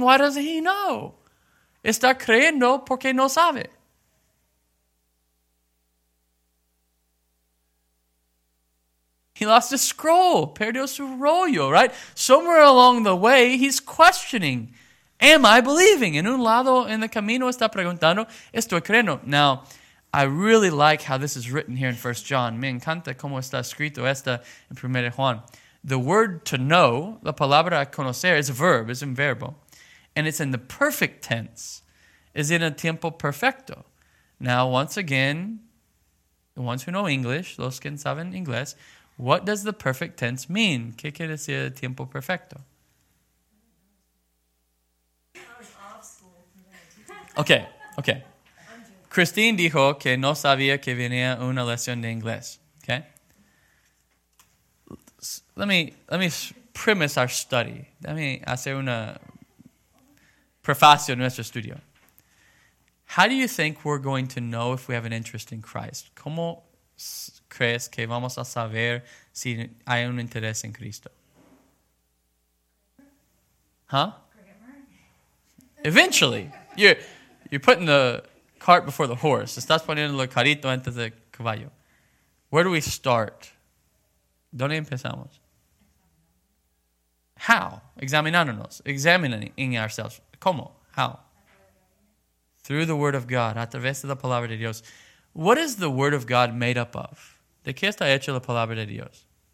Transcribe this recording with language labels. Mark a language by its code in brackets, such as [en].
[en] Why doesn't he know? [es] Está creyendo porque no sabe. [en] He lost his scroll, [es] perdió su rollo, [en] right? Somewhere along the way, he's questioning, am I believing? [es] En un lado en el camino está preguntando, estoy creyendo. [en] Now, I really like how this is written here in 1 John. [es] Me encanta cómo está escrito esta en 1 Juan. [en] The word to know, [es] la palabra conocer, [en] is a verb, is un verbo. And it's in the perfect tense, is in a tiempo perfecto. Now, once again, the ones who know English, [es] los que saben inglés, [en] what does the perfect tense mean? [es] ¿Qué quiere decir el tiempo perfecto? [en] Okay. [es] Christine dijo que no sabía que venía una lección de inglés. Okay. [en] Let me premise our study. Let me [es] hacer una prefacio en nuestro estudio. [en] How do you think we're going to know if we have an interest in Christ? [es] ¿Cómo crees que vamos a saber si hay un interés en Cristo? [en] Huh? Eventually. You're putting the cart before the horse. [es] Estás poniendo el carrito antes del caballo. [en] Where do we start? [es] ¿Dónde empezamos? [en] How? Examinándonos. Examining ourselves. ¿Cómo? How? Through the Word of God. [es] A través de la Palabra de Dios. [en] What is the Word of God made up of? [es] ¿De qué está hecha la Palabra de Dios?